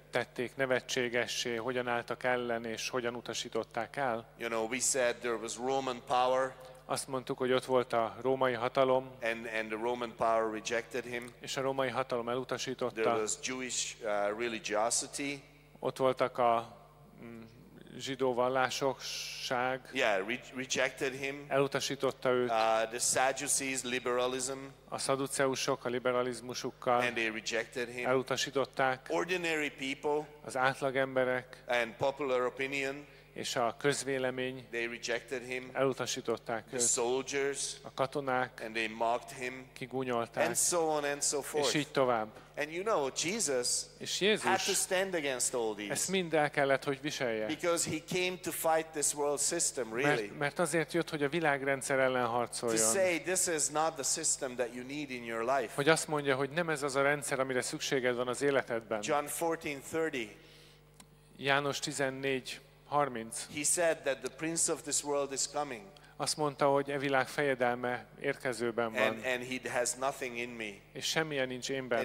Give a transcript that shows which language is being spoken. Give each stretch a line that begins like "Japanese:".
Hungarian: Tették nevetségessé, hogyan álltak ellen és hogyan utasították el.
English: You know, we said there was Roman power.
Hungarian: Azt mondtuk, hogy ott volt a római hatalom.
English: And the Roman power rejected him.
Hungarian: És a római hatalom elutasította.
English: There was Jewish religiosity.
Hungarian: Ott voltak a zsidó vallásokság.
English: Yeah, rejected him.
Hungarian: Elutasította őt.
English: The Sadducees, liberalism.
Hungarian: A szaduceusok a liberalizmusukkal.
English: And they rejected him.
Hungarian: Elutasították.
English: Ordinary people.
Hungarian: Az átlag emberek.
English: And popular opinion.
Hungarian: És a közvélemény.
English: They rejected him.
Hungarian: Elutasították
English: őt. The soldiers.
Hungarian: A katonák.
English: And they mocked him.
Hungarian: Kigúnyolták.
English: And so on and so forth.
Hungarian: És így tovább.
English: And you know, Jesus,
Hungarian: és Jézus
English: had to stand against all these.
Hungarian: Ezt mind el kellett, hogy viselje.
English: Because he came to fight this world system, really.
Hungarian: Mert azért jött, hogy a világrendszer ellen harcoljon.
English: To say this is not the system that you need in your life.
Hungarian: Hogy azt mondja, hogy nem ez az a rendszer, amire szükséged van az életedben.
English: John 14:30.
Hungarian: János 14. 30.
English: He said that the prince of this world is coming.
Hungarian: Azt mondta, hogy e világ fejedelme érkezőben van.
English: And he has nothing in me.
Hungarian: És semmilyen nincs én bennem.